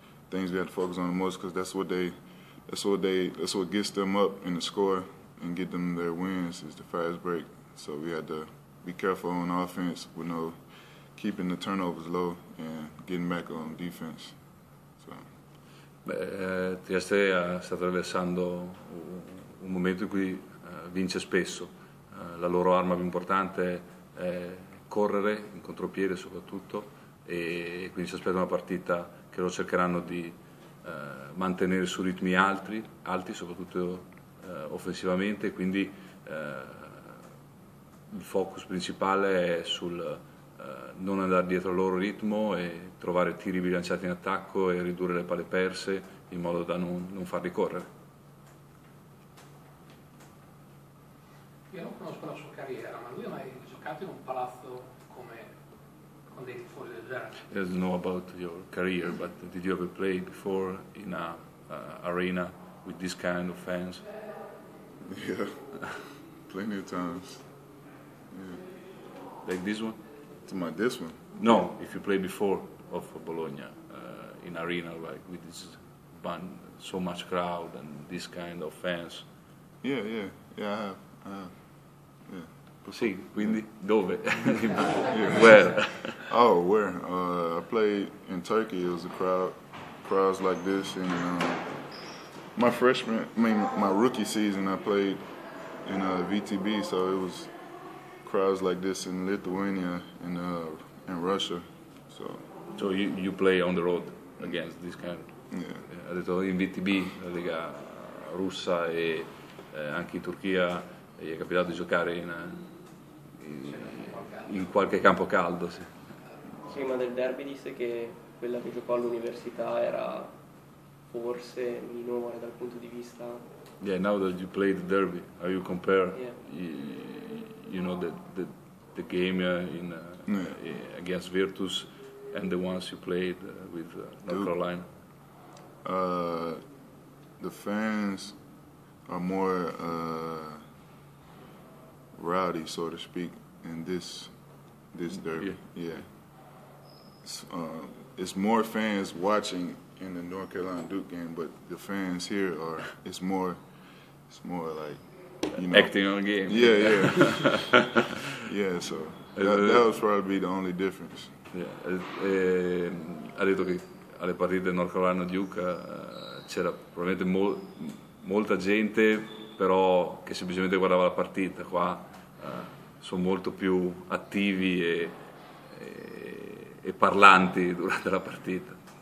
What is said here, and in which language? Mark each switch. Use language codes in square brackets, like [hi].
[en] things we had to focus on the most, because that's what gets them up in the score and get them their wins is the fast break. So we had to be careful on offense, you know, keeping the turnovers low and getting back on defense. So. [it] Trieste sta attraversando un momento in cui vince spesso. La loro arma più importante è correre in contropiede soprattutto, e quindi si aspetta una partita che loro cercheranno di mantenere su ritmi alti soprattutto offensivamente, quindi il focus principale è sul non andare dietro al loro ritmo e trovare tiri bilanciati in attacco e ridurre le palle perse in modo da non farli correre. Io non conosco la sua carriera, ma lui ha mai giocato in un palazzo come con dei tifosi del genere? [en] I don't know about your career, but did you ever play before in a arena with this kind of fans? Yeah, plenty of times. Yeah. Like this one? To my this one? No, if you played before of Bologna in arena like with this band, so much crowd and this kind of fans. Yeah, I have. [it] Sì, quindi dove? [en] Yeah. Where? Oh, where? I played in Turkey. It was a crowds like this. And my rookie season, I played in VTB, so it was crowds like this in Lithuania and in Russia. So. So you play on the road against this kind? Yeah. [it] Ha detto in VTB, la Lega Russa e anche in Turchia. Gli è capitato di giocare in qualche campo caldo, sì. Sì, ma del derby disse che quella che giocò all'università era forse minore dal punto di vista. [en] Yeah, now that you played the derby, are you compare? You know the game in against Virtus and the ones you played with North Carolina. The fans are more rowdy, so to speak, in this derby. Yeah. It's more fans watching in the North Carolina Duke game, but the fans here are it's more like, you know, acting on game. Yeah. Yeah, so that was probably the only difference. Yeah. [it] Ha detto che alle partite North Carolina Duke c'era probabilmente molta gente, però che semplicemente guardava la partita. Qua sono molto più attivi e parlanti durante la partita.